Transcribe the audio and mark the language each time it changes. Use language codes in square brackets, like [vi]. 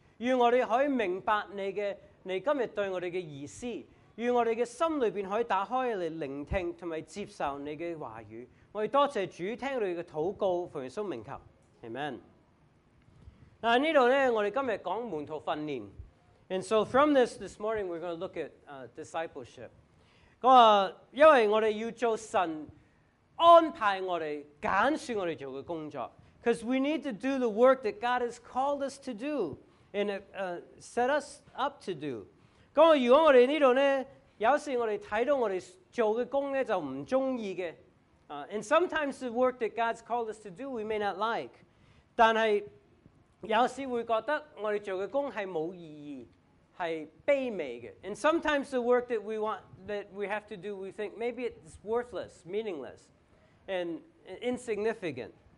[yue] 愿我哋可以明白你今日对我哋嘅意思，愿我哋嘅心里边可以打开嚟聆听同埋接受你嘅话语。我哋多谢主听到你嘅祷告，奉耶稣名求，Amen。嗱呢度咧，我哋今日讲门徒训练。 [en] And so from this morning we're going to look at discipleship. [yue] 因为我哋要做神安排我哋拣选我哋做嘅工作。 [en] Because we need to do the work that God has called us to do and set us up to do. [yue] 咁如果我哋呢度咧，有时我哋睇到我哋做嘅工咧就唔中意嘅。 [en] And sometimes the work that God's called us to do, we may not like. [yue] 但係有時會覺得我哋做嘅工係冇意義，係卑微嘅。 [en] And sometimes the work that we want, that we have to do, we think maybe it's worthless, meaningless, and insignificant.